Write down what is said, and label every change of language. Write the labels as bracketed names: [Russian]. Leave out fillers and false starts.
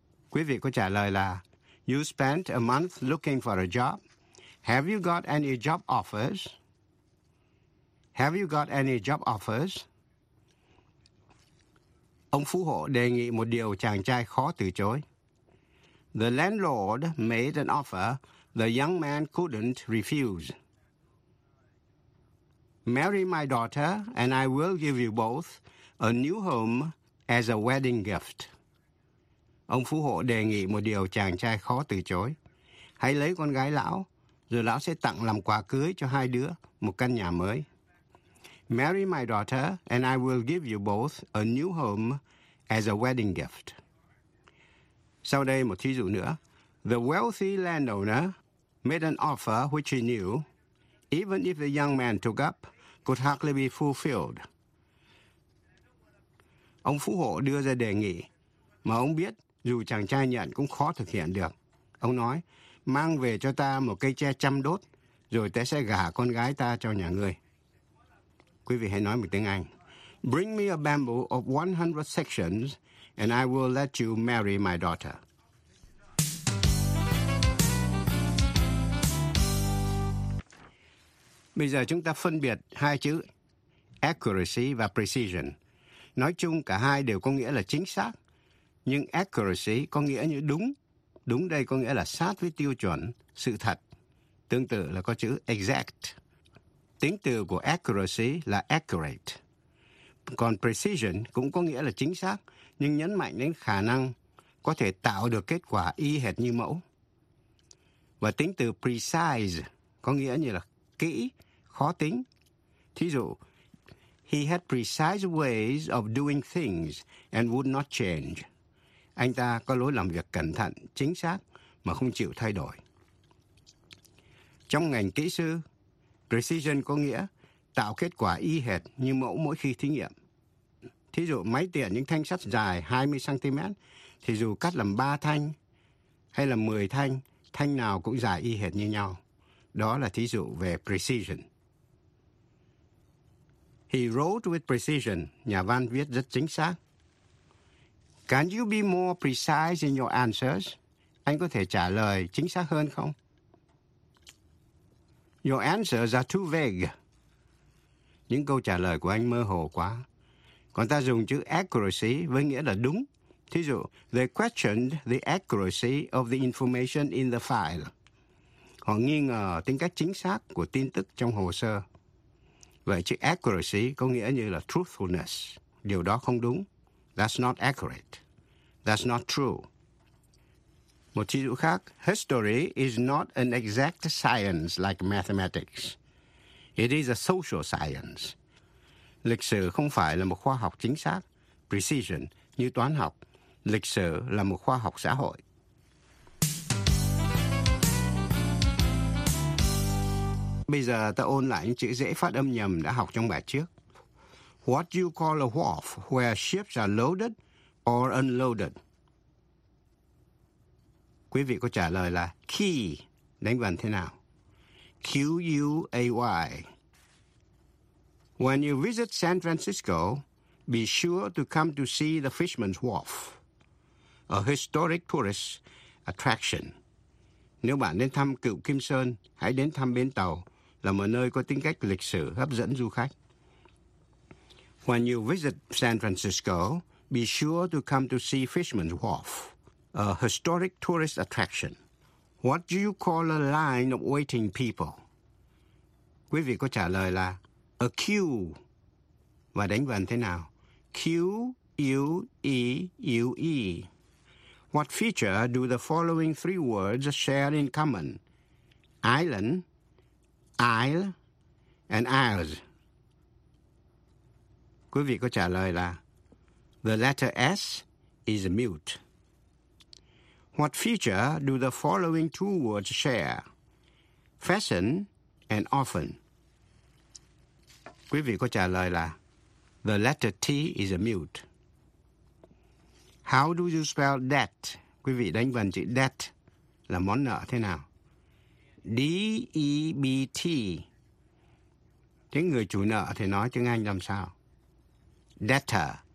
[Vietnamese] Quý vị có trả lời là [English] you spent a month looking for a job. Have you got any job offers? Have you got any job offers? [Vietnamese] Ông phú hộ đề nghị một điều chàng trai khó từ chối. [English] The landlord made an offer the young man couldn't refuse. Marry my daughter and I will give you both a new home as a wedding gift. [Vietnamese] Ông phú hộ đề nghị một điều chàng trai khó từ chối. Hãy lấy con gái lão, rồi lão sẽ tặng làm quà cưới cho hai đứa một căn nhà mới. [English] Marry my daughter and I will give you both a new home as a wedding gift. [Vietnamese] Sau đây một thí dụ nữa. [English] The wealthy landowner made an offer which he knew, even if the young man took up, could hardly be fulfilled. [Vietnamese] Ông phú hộ đưa ra đề nghị mà ông biết dù chàng trai nhận cũng khó thực hiện được. Ông nói, mang về cho ta một cây tre trăm đốt, rồi ta sẽ gả con gái ta cho nhà ngươi. Quý vị hãy nói một tiếng Anh. [English] Bring me a bamboo of 100 sections, and I will let you marry my daughter. [Vietnamese] Bây giờ chúng ta phân biệt hai chữ accuracy và precision. Nói chung cả hai đều có nghĩa là chính xác. Nhưng accuracy có nghĩa như đúng. Đúng đây có nghĩa là sát với tiêu chuẩn, sự thật. Tương tự là có chữ exact. Tính từ của accuracy là accurate. Còn precision cũng có nghĩa là chính xác, nhưng nhấn mạnh đến khả năng có thể tạo được kết quả y hệt như mẫu. Và tính từ precise có nghĩa như là kỹ, khó tính. Thí dụ, [English] he had precise ways of doing things and would not change. [Vietnamese] Anh ta có lối làm việc cẩn thận, chính xác mà không chịu thay đổi. Trong ngành kỹ sư, precision có nghĩa tạo kết quả y hệt như mẫu mỗi khi thí nghiệm. Thí dụ, máy tiện những thanh sắt dài 20cm, thì dù cắt làm 3 thanh hay là 10 thanh, thanh nào cũng dài y hệt như nhau. Đó là thí dụ về precision. [English] He wrote with precision. [Vietnamese] Nhà văn viết rất chính xác. [English] Can you be more precise in your answers? [Vietnamese] Anh có thể trả lời chính xác hơn không? [English] Your answers are too vague. [Vietnamese] Những câu trả lời của anh mơ hồ quá. Còn ta dùng chữ accuracy với nghĩa là đúng. Thí dụ, [English] they questioned the accuracy of the information in the file. [Vietnamese] Họ nghi ngờ tính cách chính xác của tin tức trong hồ sơ. Vậy chữ accuracy có nghĩa như là truthfulness. Điều đó không đúng. [English] That's not accurate. That's not true. [Vietnamese] Một thí dụ khác, [English] history is not an exact science like mathematics. It is a social science. [Vietnamese] Lịch sử không phải là một khoa học chính xác, precision, như toán học. Lịch sử là một khoa học xã hội. Bây giờ ta ôn lại những chữ dễ phát âm nhầm đã học trong bài trước. [English] What do you call a wharf where ships are loaded or unloaded? [Vietnamese] Quý vị có trả lời là quay, đánh vần thế nào? [English] Quay. When you visit San Francisco, be sure to come to see the Fisherman's Wharf, a historic tourist attraction. [Vietnamese] Nếu bạn đến thăm Cựu Kim Sơn, hãy đến thăm bến tàu, là một nơi có tính cách lịch sử hấp dẫn du khách. [English] When you visit San Francisco, be sure to come to see Fisherman's Wharf, a historic tourist attraction. What do you call a line of waiting people? [Vietnamese] Quý vị có trả lời là a queue. Và đánh vần thế nào? Q-U-E-U-E. [English] What feature do the following three words share in common? Island, aisle, and aisles. [Vietnamese] Quý vị có trả lời là [English] the letter S is mute. What feature do the following two words share? Fashion and often. [Vietnamese] Quý vị có trả lời là [English] the letter T is mute. How do you spell debt? [Vietnamese] Quý vị đánh vần chữ debt là món nợ thế nào? D-E-B-T. Tiếng người chủ nợ thì nói tiếng Anh làm sao? Debtor.